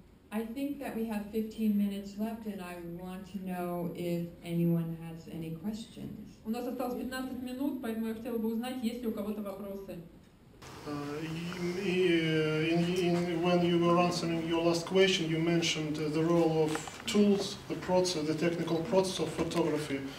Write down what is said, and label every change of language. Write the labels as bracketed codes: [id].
[en] I think that we have 15 minutes left, and I want to know if anyone has any questions. [ru] У нас осталось 15 минут, поэтому я хотела бы узнать, есть ли у кого-то вопросы. [en] When you were answering your last question, you mentioned the role of tools, the process, the technical process of photography.